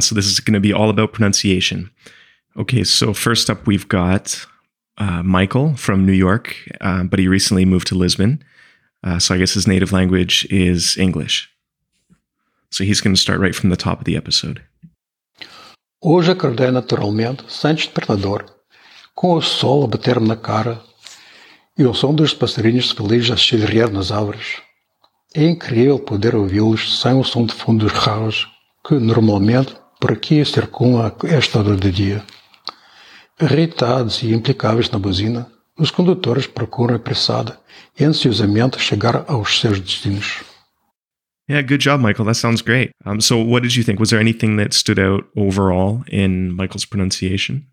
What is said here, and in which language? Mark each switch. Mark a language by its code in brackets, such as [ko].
[en] So this is going to be all about pronunciation. Okay, so first up, we've got Michael from New York, but he recently moved to Lisbon. So I guess his native language is English. So he's going to start right from the top of the episode. [pt] Hoje acordei naturalmente, sem despertador, com o sol a bater-me na cara e o som dos passarinhos felizes a chilrear nas árvores. É incrível poder ouvi-los sem o som de fundo dos carros que, normalmente, por aqui circulam a esta hora do dia. Irritados e implicáveis na buzina, os condutores procuram apressada e ansiosamente chegar aos seus destinos. [en] Yeah, good job, Michael. That sounds great. So what did you think? Was there anything that stood out overall in Michael's pronunciation?